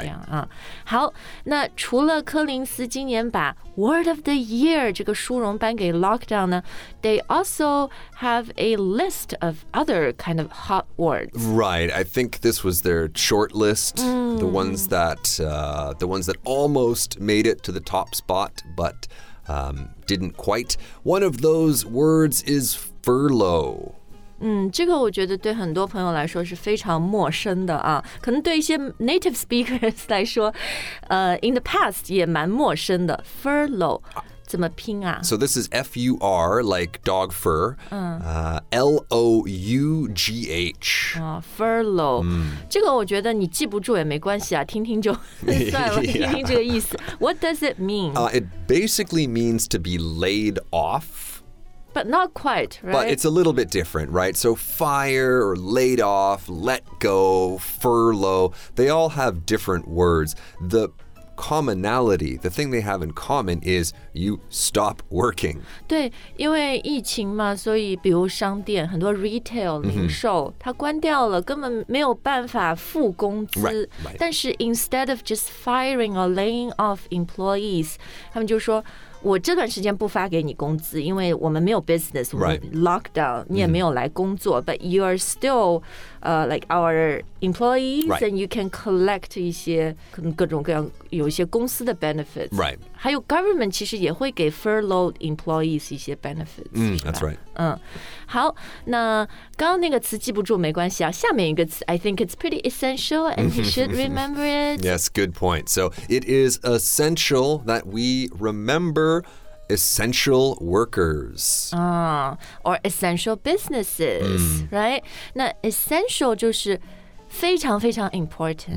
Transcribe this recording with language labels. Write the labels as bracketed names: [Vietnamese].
[Chinese] 这样啊。好，那除了柯林斯今年把 Word of the Year 这个殊荣颁给 lockdown 呢， [English] they also have a list of other kind of hot words. Right, I think this was their short list,the ones thatthe ones that almost made it to the top spot, but didn't quite. One of those words is furlough. [Chinese] 这个我觉得对很多朋友来说是非常陌生的啊。可能对一些 native speakers 来说， [English] in the past [Chinese] 也蛮陌生的。 Furlough 怎么拼啊？ [English] So this is F-U-R, like dog fur. L-O-U-G-H. Furlough. [Chinese] 这个我觉得你记不住也没关系啊，听听就算了，听听这个意思。 [English] What does it mean? It basically means to be laid off. But not quite, right? But it's a little bit different, right? So fire, or laid off, let go, furlough, they all have different words. The commonality, the thing they have in common is you stop working. [Chinese] 对，因为疫情嘛，所以比如商店，很多 retail, 零售，它关掉了，根本没有办法付工资。 [English] Right, right. [Chinese] 但是 [English] instead of just firing or laying off employees, [Chinese] 他们就说我这段时间不发给你工资，因为我们没有 business, [English] right. [Chinese] lockdown, 你也没有来工作, [English] but you are still like our employees,、 right. and you can collect [Chinese] 一些各种各样有一些公司的 [English] benefits. Right. [Chinese] 还有 government 其实也会给 furloughed employees 一些 benefits.、 [English] Mm, that's right. [Chinese] 嗯，好，那刚刚那个词记不住没关系啊。下面一个词 [English] ，I think it's pretty essential, and you should remember it. Yes, good point. So it is essential that we remember. Essential workers. Or essential businesses,、mm. right? [Chinese] 那 essential 就是非常非常 important.